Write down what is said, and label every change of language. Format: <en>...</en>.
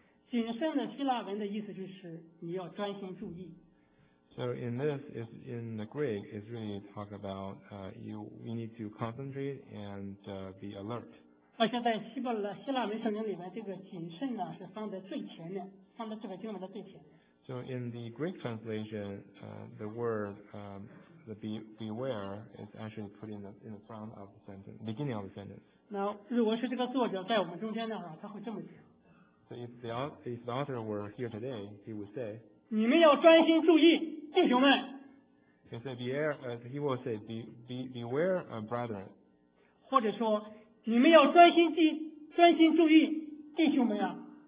<zh>谨慎的希腊文的意思就是你要专心注意。</zh> <en>So in this, is in the Greek, it's really talk about we need to concentrate and be alert.</en> <zh>而且在希腊文圣经里面，这个谨慎呢是放在最前面，放在这个经文的最前面。</zh> <en>So in the Greek translation, the word the beware is actually put in the front of the sentence, beginning of the sentence.</en> <zh>那如果是这个作者在我们中间的话，他会这么讲。</zh> <en>So if the author were here today, he would say,</en> <zh>你们要专心注意，弟兄们。</zh> <en>He said, beware, he will say, beware, brethren.</en> <zh>或者说，你们要专心注意，弟兄们啊。</zh>